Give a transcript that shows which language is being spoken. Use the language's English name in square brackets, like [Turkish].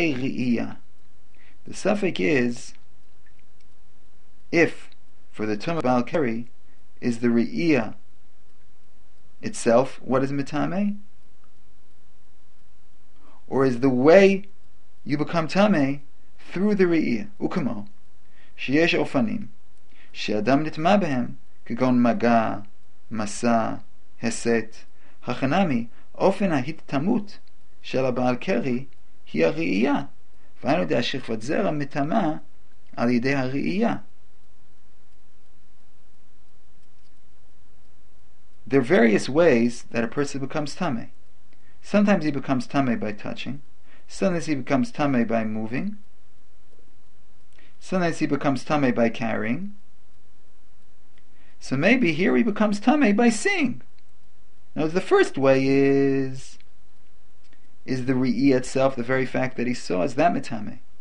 [English] The suffix is if for the tumah baal keri is the ri'iyah itself what is mitame, or is the way you become tame through the ri'iyah. [Hebrew] Ukamo sheyesh ofanim sheadam nitma behem kegon maga masa heset hachanami אופן ההתתמות של הבעל קרי היא הראייה, ואנו יודע שכבת זרע מתמה על ידי הראייה. [English] There are various ways that a person becomes tame. Sometimes he becomes tame by touching, sometimes he becomes tame by moving, sometimes he becomes tame by carrying. So maybe here he becomes tame by seeing. Now the first way is the ri'i itself, the very fact that he saw, is that metame?